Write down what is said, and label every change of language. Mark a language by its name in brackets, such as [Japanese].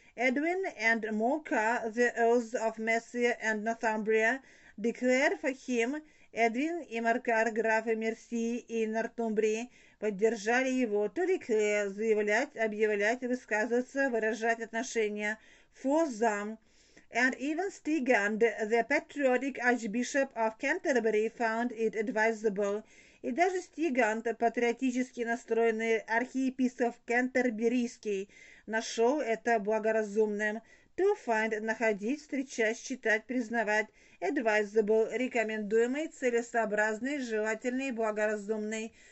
[English] Edwin and Mocha, the earls of Mercia and Northumbria, declared for him. [Russian] Edwin и Маркар, графы Мерсии и Нортумбрии, поддержали его. To declare, заявлять, объявлять, высказываться, выражать отношения. [English] For them. And even Stigand, the patriotic archbishop of Canterbury, found it advisable. [Russian] И даже Стигант, патриотически настроенный архиепископ Кентерберийский, нашел это благоразумным. To find, находить, встречать, считать, признавать. Advisable, рекомендуемый, целесообразный, желательный, благоразумный.